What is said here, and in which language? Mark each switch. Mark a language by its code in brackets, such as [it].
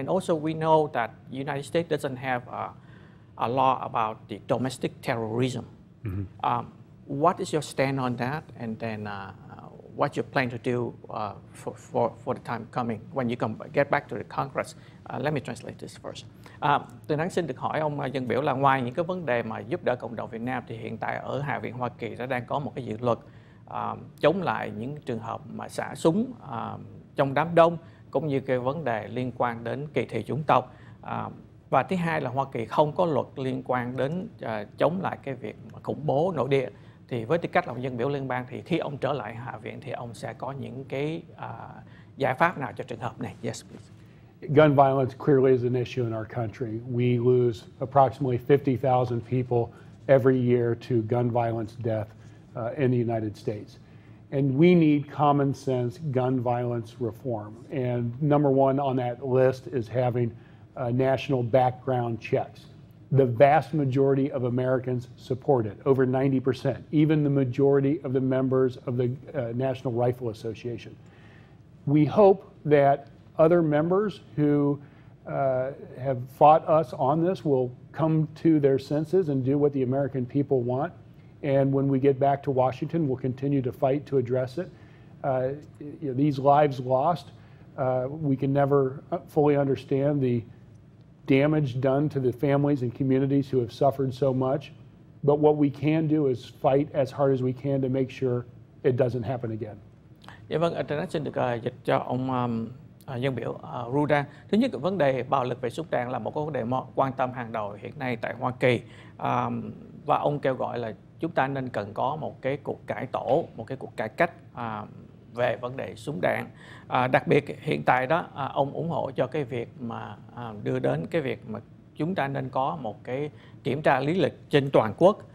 [en] And also we know that the United States doesn't have a law about the domestic terrorism. Mm-hmm. What is your stand on that? And then what you plan to do for the time coming when you come get back to the Congress? Let me translate this first. [vi] Tôi đang xin được hỏi ông dân biểu là ngoài những cái vấn đề mà giúp đỡ cộng đồng Việt Nam thì hiện tại ở Hạ viện Hoa Kỳ đã đang có một cái dự luật chống lại những trường hợp mà xả súng trong đám đông cũng như cái vấn đề liên quan đến kỳ thị chủng tộc. Và thứ hai là Hoa Kỳ không có luật liên quan đến chống lại cái việc khủng bố nội địa. Thì với tư cách là ông dân biểu liên bang thì khi ông trở lại Hạ viện thì ông sẽ có những cái giải pháp nào cho trường hợp này? [en] Yes, please. Gun violence clearly is an issue in our country. We lose approximately 50,000 people every year to gun violence death in the United States. And we need common sense gun violence reform. And number one on that list is having national background checks. The vast majority of Americans support it, over 90%, even the majority of the members of the National Rifle Association. We hope that other members who have fought us on this will come to their senses and do what the American people want. And when we get back to Washington, we'll continue to fight to address it. You know, these lives lost, we can never fully understand the damage done to the families and communities who have suffered so much. But what we can do is fight as hard as we can to make sure it doesn't happen again. [vi] Dân biểu Ruda. Thứ nhất, vấn đề bạo lực về súng đạn là một cái vấn đề quan tâm hàng đầu hiện nay tại Hoa Kỳ. Và ông kêu gọi là chúng ta nên cần có một cái cuộc cải tổ, một cái cuộc cải cách về vấn đề súng đạn. Đặc biệt hiện tại đó, ông ủng hộ cho cái việc mà đưa đến cái việc mà chúng ta nên có một cái kiểm tra lý lịch trên toàn quốc.